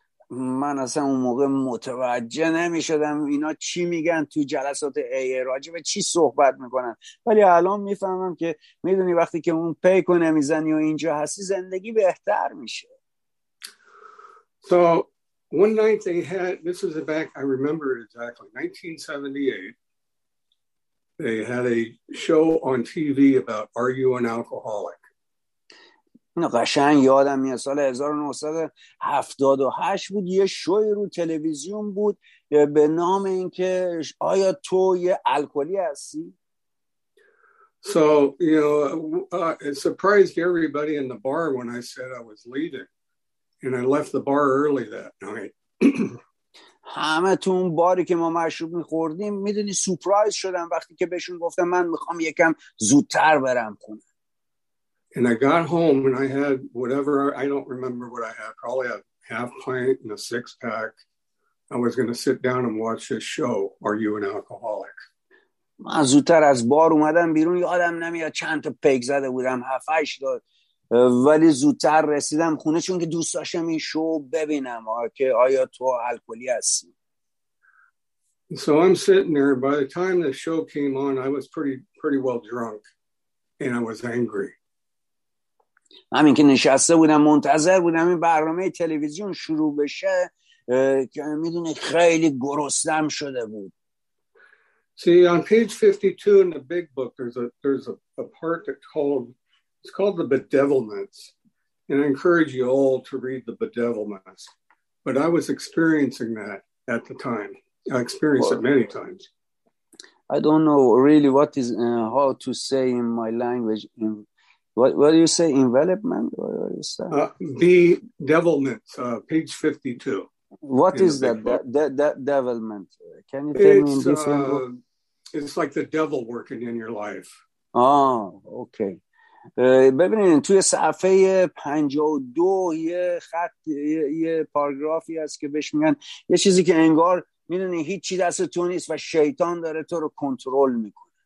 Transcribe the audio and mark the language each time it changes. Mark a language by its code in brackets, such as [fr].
[fa] من اصلا اون موقع متوجه نمی شدم اینا چی میگن تو جلسات AA راجبه چی صحبت میکنن، ولی الان میفهمم که میدونی وقتی که اون پیکو نمیزنی و اینجا هستی زندگی بهتر میشه. [en] So one night they had, this was back, I remember it exactly, 1978, they had a show on TV about Are You an Alcoholic? [fa] قشنگ یادم میاد سال 1978 بود، یه شوی رو تلویزیون بود به نام اینکه آیا تو یه الکلی هستی؟ [en] So, you know, it surprised everybody in the bar when I said I was leaving. And I left the bar early that night. [fa] همه تو اون باری که ما مشروب میخوردیم میدونی سپرایز شدم وقتی که بهشون گفتم من میخوام یکم زودتر برم خونه. [en] And I got home and I had whatever, I don't remember what I had, probably a half pint and a six pack. I was going to sit down and watch this show, Are You an Alcoholic? [fa] من زودتر از بار اومدم بیرون، یادم نمیاد چند تا پیک زده بودم، 7-8 داد، ولی زودتر رسیدم خونه چون که دوست داشتم این شو ببینم که آیا تو الکلی هستی. [en] So I'm sitting there, by the time the show came on, I was pretty well drunk and I was angry. [fa] همین که نشسته بودم منتظر بودم این برنامه تلویزیون شروع بشه که میدونه خیلی گرسنم شده بود. [en] See, on page 52 in the big book there's a part that it's called the bedevilments, and I encourage you all to read the bedevilments, but I was experiencing that at the time. I experienced it many times. I don't know really what is how to say in my language in What do you say? Envelopment? Bedevilment, page 52. What is that? Bedevilment. Can you tell me in different words? It's like the devil working in your life. Oh, okay. [fa] ببینید توی صفحه 52 یه خط یه پاراگرافی هست که بهش میگن یه چیزی که انگار میدونی هیچی دست تو نیست و شیطان داره تو رو کنترل میکنه.